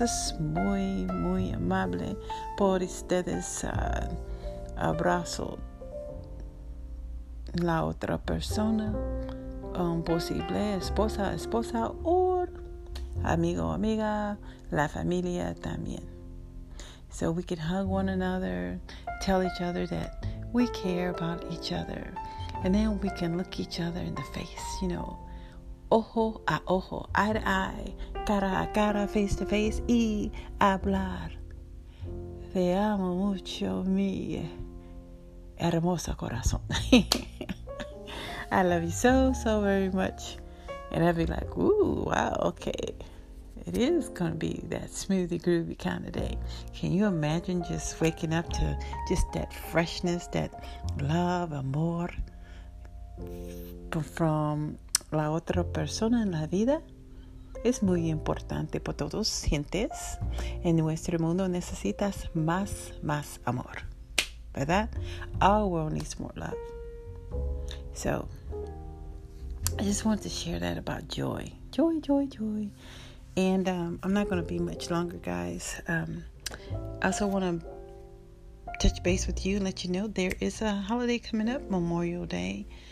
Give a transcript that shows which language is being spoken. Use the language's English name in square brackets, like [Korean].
[Spanish] Es muy, muy amable por ustedes abrazo la otra persona, posible esposa, esposa, o amigo, amiga, la familia también. [English] So we can hug one another, tell each other that we care about each other, and then we can look each other in the face, you know, [Spanish] ojo a ojo, [English] eye to eye, [Spanish] cara a cara, [English] face to face, [Spanish] y hablar. Te amo mucho, mi hermoso corazón. [English] I love you so, so very much. And I'd be like, ooh, wow, okay. It is going to be that smoothie groovy kind of day. Can you imagine just waking up to just that freshness, that love, [Spanish] amor [English] from [Spanish] la otra persona en la vida? Es muy importante para todos. Sientes en nuestro mundo necesitas más, más amor. ¿Verdad? [English] Our world needs more love. So, I just wanted to share that about joy. Joy, joy, joy. And I'm not going to be much longer, guys. I also want to touch base with you and let you know there is a holiday coming up, Memorial Day.